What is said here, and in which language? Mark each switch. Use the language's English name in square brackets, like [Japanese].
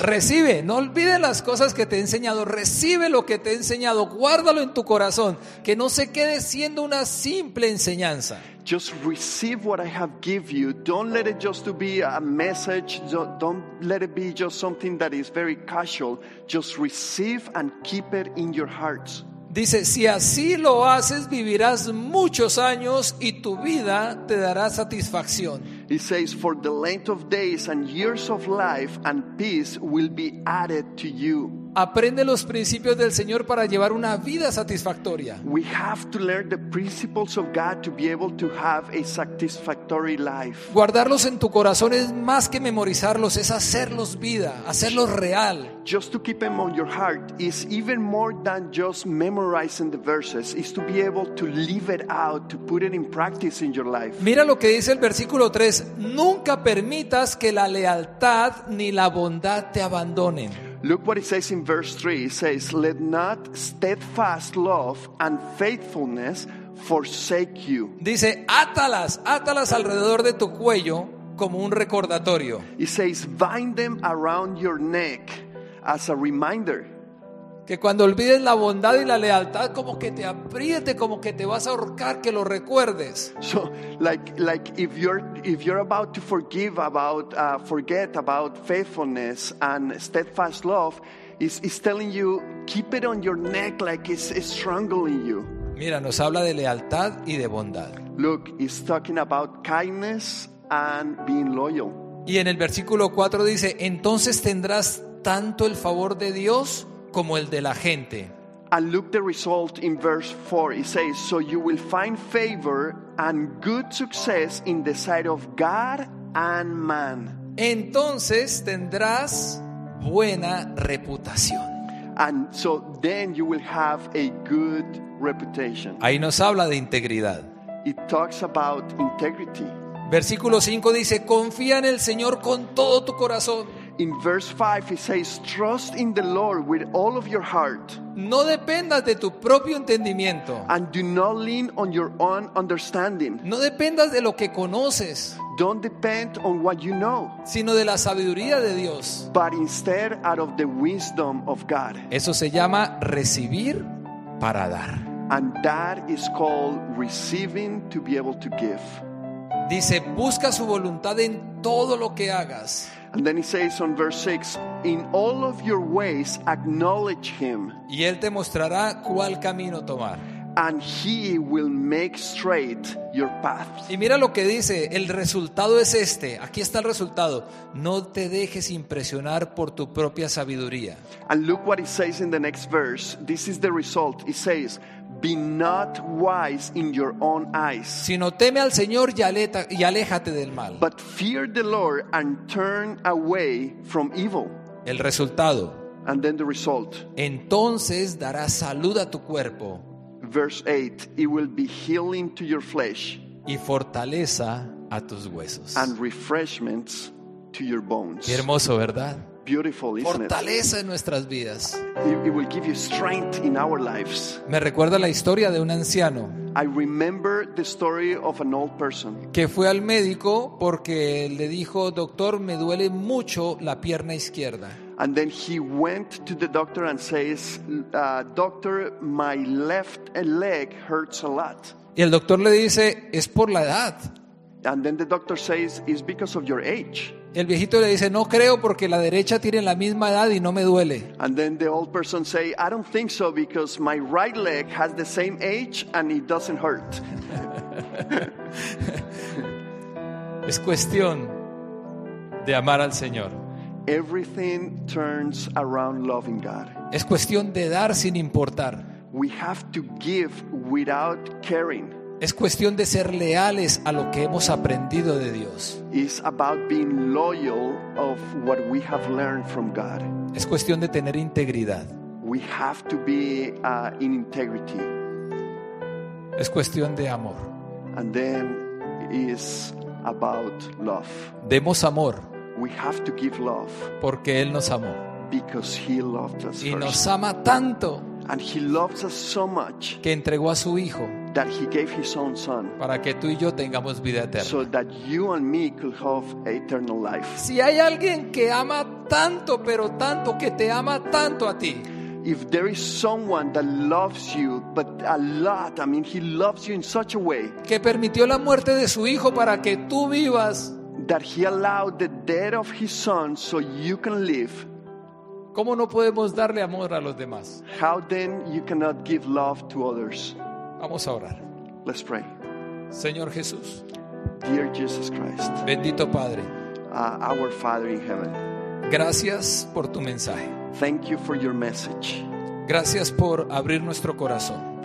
[Spanish] Recibe, no olvides las cosas que te he enseñado. Recibe lo que te he enseñado. Guárdalo en tu corazón. Que no se quede siendo una simple enseñanza. [English] Just receive what I have given you. Don't let it just to be a message. Don't let it be just something that is very casual. Just receive and keep it in your hearts. [Spanish] Dice, si así lo haces, vivirás muchos años y tu vida te dará satisfacción. [English] It says, for the length of days and years of life and peace will be added to you. [Spanish] Aprende los principios del Señor para llevar una vida satisfactoria. [English] We have to learn the principles of God to be able to have a satisfactory life. [Spanish] Guardarlos en tu corazón es más que memorizarlos, es hacerlos vida, hacerlos real. [English] Just to keep them on your heart is even more than just memorizing the verses, is to be able to live it out, to put it in practice in your life. [Spanish] Mira lo que dice el versículo 3, nunca permitas que la lealtad ni la bondad te abandonen. [English] Look what it says in verse 3. It says, let not steadfast love and faithfulness forsake you. [Spanish] Dice, átalas, átalas alrededor de tu cuello como un recordatorio. [English] It says, bind them around your neck as a reminder. [Spanish] Que cuando olvides la bondad y la lealtad, como que te apriete, como que te vas a ahorcar, que lo recuerdes. [English] So, like if you're about to forgive about forget about faithfulness and steadfast love, is telling you keep it on your neck like it's strangling you. [Spanish] Mira, nos habla de lealtad y de bondad. [English] Look, it's talking about kindness and being loyal. [Spanish] Y en el versículo 4 dice, entonces tendrás tanto el favor de Dios como el de la gente. [English] And look the result in verse 4. It says, so you will find favor and good success in the sight of God and man. [Spanish] Entonces tendrás buena reputación. [English] And so then you will have a good reputation. [Spanish] Ahí nos habla de integridad. [English] It talks about integrity. [Spanish] Versículo 5 dice, confía en el Señor con todo tu corazón. [English] In verse 5 it says, trust in the Lord with all of your heart. [Spanish] No dependas de tu propio entendimiento. [English] And do not lean on your own understanding. [Spanish] No dependas de lo que conoces. [English] Don't depend on what you know. [Spanish] Sino de la sabiduría de Dios. [English] But instead out of the wisdom of God. [Spanish] Eso se llama recibir para dar. [English] And that is called receiving to be able to give. [Spanish] Dice, busca su voluntad en todo lo que hagas. [English] And then he says on verse 6, in all of your ways acknowledge him. [Spanish] Y él te mostrará cuál camino tomar. [English] and he will make straight your path. [Spanish] Y mira lo que dice, el resultado es este. Aquí está el resultado. No te dejes impresionar por tu propia sabiduría. [English] And look what it says in the next verse. This is the result. It says, be not wise in your own eyes. [Spanish] Sino teme al Señor y aléjate del mal. [English] But fear the Lord and turn away from evil. [Spanish] El resultado. [English] And then the result. [Spanish] Entonces dará salud a tu cuerpo. [English] Verse 8, it will be healing to your flesh. [Spanish] Y fortaleza a tus huesos. [English] And refreshments to your bones. [Spanish] Qué hermoso, ¿verdad? [English] Beautiful, isn't [Spanish] fortaleza [English] it? [Spanish] Fortaleza en nuestras vidas. [English] It will give you strength in our lives. [Spanish] Me recuerda la historia de un anciano. [English] I remember the story of an old person. [Spanish] Que fue al médico porque le dijo, "Doctor, me duele mucho la pierna izquierda." [English] And then he went to the doctor and says, "Doctor, my left leg hurts a lot." [Spanish] Y el doctor le dice, "Es por la edad." [English] And then the doctor says, "It's because of your age." [Spanish] El viejito le dice, "No creo porque la derecha tiene la misma edad y no me duele." [English] And then the old person say, "I don't think so because my right leg has the same age and it doesn't hurt." [Spanish] Es cuestión de amar al Señor. [English] Everything turns around loving God. [Spanish] Es cuestión de dar sin importar. [English] We have to give without caring. [Spanish] Es cuestión de ser leales a lo que hemos aprendido de Dios. [English] It's about being loyal of what we have learned from God. [Spanish] Es cuestión de tener integridad. [English] We have to be in integrity. [Spanish] Es cuestión de amor. [English] And then it's about love. [Spanish] Demos amor. [English] We have to give love. [Spanish] Porque él nos amó. [English] Because he loved us. [Spanish] Y nos ama tanto. [English] And he loves us so much. [Spanish] Que entregó a su hijo. [English] That he gave his own son. [Spanish] Para que tú y yo tengamos vida eterna. [English] So that you and me could have eternal life. [Spanish] Si hay alguien que ama tanto, pero tanto que te ama tanto a ti. [English] If there is someone that loves you, but a lot, I mean, he loves you in such a way. [Spanish] Que permitió la muerte de su hijo para que tú vivas. [English] That he allowed the death of his son so you can live. [Spanish] ¿Cómo no podemos darle amor a los demás? [English] How then you cannot give love to others? [Spanish] Vamos a orar. [English] Let's pray. [Spanish] Señor Jesús. [English] Dear Jesus Christ. [Spanish] Bendito Padre. [English] Our Father in heaven. [Spanish] Gracias por tu mensaje. [English] Thank you for your message. [Spanish] Gracias por abrir nuestro corazón.